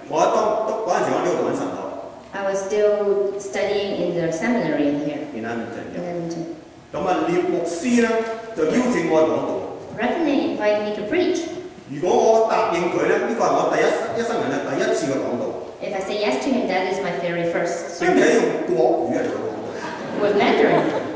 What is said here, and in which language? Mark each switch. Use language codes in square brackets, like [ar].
[yue] 我喺當嗰陣時，我呢度揾神學。 [en] I was still studying in the seminary in here. In Edmonton. In Edmonton. [yue] 咁啊，聂牧师咧就邀请我讲道。 [en] Reverend invited me to preach. [yue] 如果我答应佢咧，呢个系我第一生人咧第一次嘅讲道。 [en] If I say yes to him, that is my very first. [yue] 并且用国语嚟讲道。 [en] With Mandarin.